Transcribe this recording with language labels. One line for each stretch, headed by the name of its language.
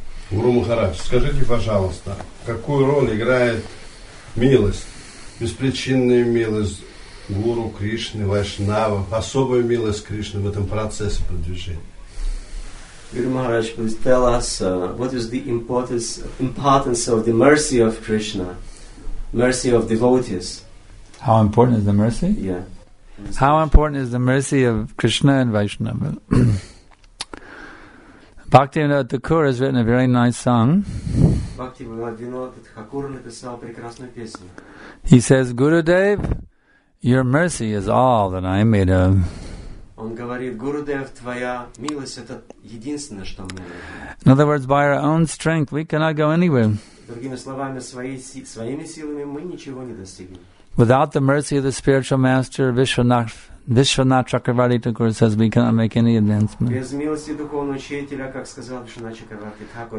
Russian: Гуру Махарадж, скажите, пожалуйста, какую роль играет милость, беспричинная милость Гуру Кришны, Вайшнава, особая милость Кришны в этом процессе продвижения?
English: Guru Maharaj, please tell us what is the importance of the mercy of Krishna, mercy of devotees. How important is the mercy? Yeah. How important is the mercy of Krishna and Vaishnava? Bhaktivinoda Thakur has written a very nice song.
Russian: Bhaktivinoda Thakur написал прекрасную песню.
English: He says, Gurudev, Your mercy is all that I am made of.
Russian: Он говорит, Гурудев, твоя милость это единственное, что мне.
English: In other words, by our own strength, we cannot go anywhere.
Russian: Другими словами, своими силами мы ничего не достигнем.
English: Without the mercy of the spiritual master, Vishwanath Chakravarti Thakur says, we cannot make any advancement.
Russian: Без милости духовного учителя, как сказал Vishwanath Chakravarti Thakur.